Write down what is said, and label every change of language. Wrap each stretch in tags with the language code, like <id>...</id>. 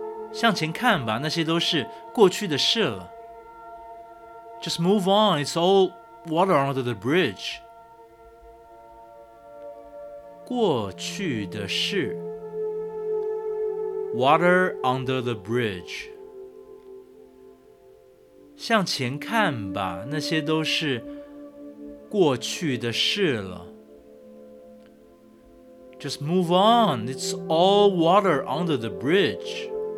<zh>向前看吧，那些都是过去的事了。</zh> <en>Just move on, it's all water under the bridge. 过去的事 Water under the bridge.</en> <zh>向前看吧，那些都是过去的事了。</zh> <en>Just move on, it's all water under the bridge.</en>